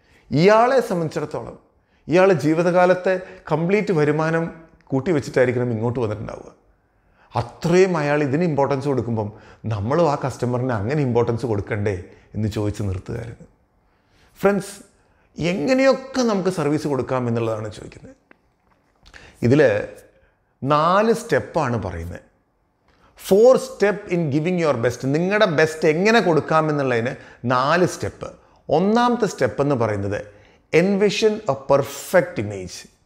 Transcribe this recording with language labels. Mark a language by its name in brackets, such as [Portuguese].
[Malayalam] ഇയാളെ സംബന്ധിച്ചിടത്തോളം ഇയാൾ ജീവിതകാലത്തെ കംപ്ലീറ്റ് വരുമാനം കൂട്ടി വെച്ചിട്ടായിരിക്കണം ഇങ്ങോട്ട് വന്നിട്ടുണ്ടാവുക. അത്രയും അയാൾ ഇതിന് ഇമ്പോർട്ടൻസ് കൊടുക്കുമ്പം നമ്മളും ആ കസ്റ്റമറിന് അങ്ങനെ ഇമ്പോർട്ടൻസ് കൊടുക്കണ്ടേ എന്ന് ചോദിച്ച് നിർത്തുകയായിരുന്നു. ഫ്രണ്ട്സ്, എങ്ങനെയൊക്കെ നമുക്ക് സർവീസ് കൊടുക്കാം എന്നുള്ളതാണ് ചോദിക്കുന്നത്. ഇതിൽ 4 സ്റ്റെപ്പാണ് പറയുന്നത്. [English] 4 steps in giving your best. [Malayalam] നിങ്ങളുടെ ബെസ്റ്റ് എങ്ങനെ കൊടുക്കാമെന്നുള്ളതിന് 4 സ്റ്റെപ്പ്. [English] 1st step [Malayalam] എന്ന് പറയുന്നത് [English] Envision a perfect image.